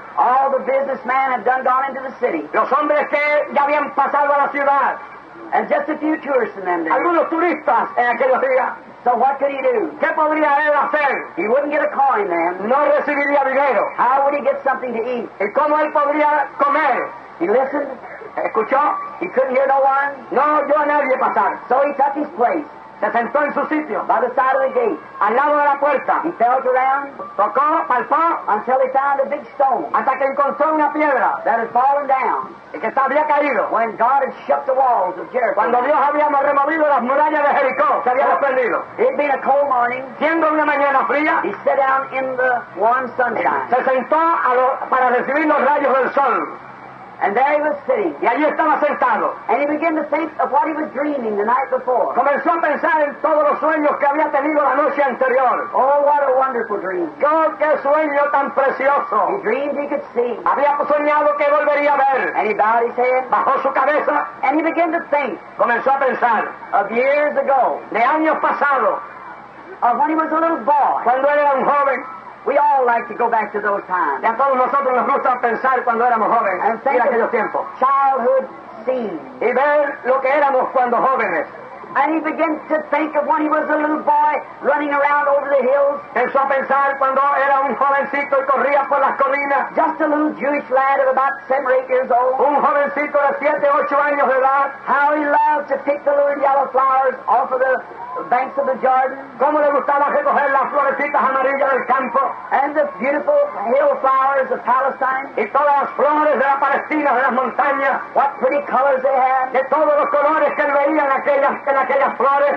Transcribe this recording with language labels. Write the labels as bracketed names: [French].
[English] All the businessmen had done gone into the city. [Spanish] Los hombres que ya habían pasado a la ciudad. [English] And just a few tourists in them [Spanish] days. Algunos turistas en aquellos días. [English] So what could he do? [Spanish] ¿Qué podría él hacer? [English] He wouldn't get a coin, man. [Spanish] No recibiría dinero. [English] How would he get something to eat? [Spanish] ¿Y cómo él podría comer? [English] He listened. [Spanish] ¿Escuchó? [English] He couldn't hear no one. [Spanish] No oyó a nadie pasar. [English] So he took his place. [Spanish] Se sentó en su sitio. [English] By the side of the gate. [Spanish] Al lado de la puerta. [English] He felt around. [Spanish] Tocó, palpó. [English] Until he found a big stone. [Spanish] Hasta que encontró una piedra. [English] That had fallen down. [Spanish] Y que estaba bien caído. [English] When God had shut the walls of Jericho. [Spanish] Cuando Dios había removido las murallas de Jericó. Se había desprendido. [English] It had been a cold morning. [Spanish] Siendo una mañana fría. [English] He sat down in the warm sunshine. [Spanish] Se sentó para recibir los rayos del sol. [English] And there he was sitting. [Spanish] Y allí estaba sentado. [English] And he began to think of what he was dreaming the night before. [Spanish] Comenzó a pensar en todos los sueños que había tenido la noche anterior. [English] Oh, what a wonderful dream. [Spanish] Oh, qué sueño tan precioso. [English] He dreamed he could see. [Spanish] Había soñado que volvería a ver. [English] And he bowed his head. [Spanish] Bajó su cabeza. [English] And he began to think. [Spanish] Comenzó a pensar. [English] Of years ago. [Spanish] De años pasados. [English] Of when he was a little boy. [Spanish] Cuando era un joven. [English] We all like to go back to those times. [Spanish] Y a todos nosotros nos gusta pensar cuando éramos jóvenes. [English] And think [Spanish] of aquellos tiempos. [English] Childhood scene. [Spanish] Y ver lo que éramos cuando jóvenes. [English] And he began to think of when he was a little boy running around over the hills. [Spanish] Empezó a pensar cuando era un jovencito y corría por las colinas. [English] Just a little Jewish lad of about 7 or 8 years old. [Spanish] Un jovencito de 7 o 8 años de edad. [English] How he loved loved to pick the little yellow flowers off of the banks of the Jordan. [Spanish] Como le gustaba recoger las florecitas amarillas del campo. [English] And the beautiful hill flowers of Palestine. [Spanish] Y todas las flores de la Palestina, de las montañas. [English] What pretty colors they had. [Spanish] De todos los colores que veían en aquellas flores.